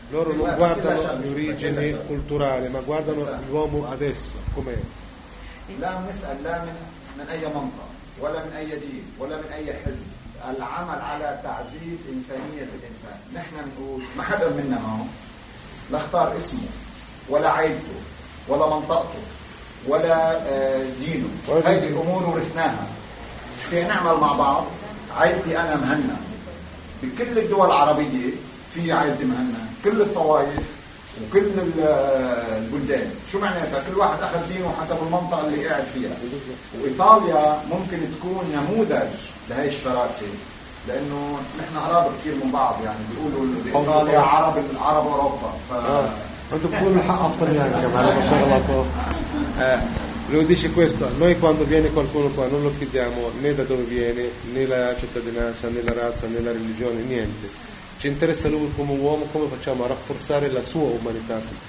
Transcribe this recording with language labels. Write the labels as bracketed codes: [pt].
[it] Loro non guardano l'origine culturale, ma guardano l'uomo adesso, com'è. [ar] لا نسأل لا من اي منطقه ولا من اي دين ولا من اي حزب. العمل على تعزيز إنسانية الإنسان نحن نقول ما حدا منا هون نختار اسمه ولا عائلته ولا منطقته ولا دينه هذه الأمور ورثناها شو فيها نعمل مع بعض عائلتي أنا مهنة بكل الدول العربية في عائلتي مهنة كل الطوائف وكل البلدان شو معناتها كل واحد أخذ دينه حسب المنطقة اللي قاعد فيها وإيطاليا ممكن تكون نموذج لهي الشراكة لأنه نحن عرب كتير من بعض يعني بيقولوا إيطاليا عرب العرب أوروبا أنت بقول حق الطليان كمان [it] Lui dice questo, noi quando viene qualcuno qua non lo chiediamo né da dove viene, né la cittadinanza, né la razza, né la religione, niente. Ci interessa lui come uomo, come facciamo a rafforzare la sua umanità.